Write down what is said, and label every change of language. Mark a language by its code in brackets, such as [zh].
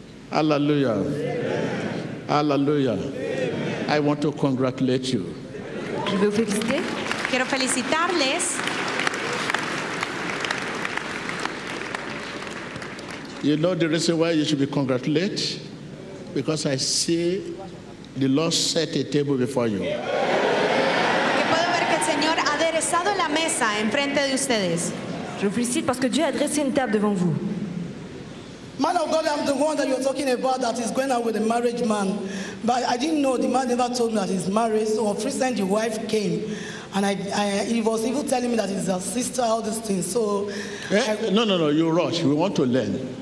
[en] Hallelujah. Amen. Hallelujah. Amen. I want to congratulate you. [fr] Je veux féliciter. [es] Quiero felicitarles. [en] You know the reason why you should be congratulated? Because I see the Lord set a table before you. [es] Que puedo ver que el Señor ha aderezado la mesa en frente de ustedes. [fr] Je vous félicite parce que Dieu a dressé une table devant vous. [en] Man of God, I'm the one that you're talking about that is going out with a marriage man. But I didn't know, the man never told me that he's married. So on Friday night, the wife came. And he was even telling me that he's a sister, all these things. So. No, you rush. We want to learn.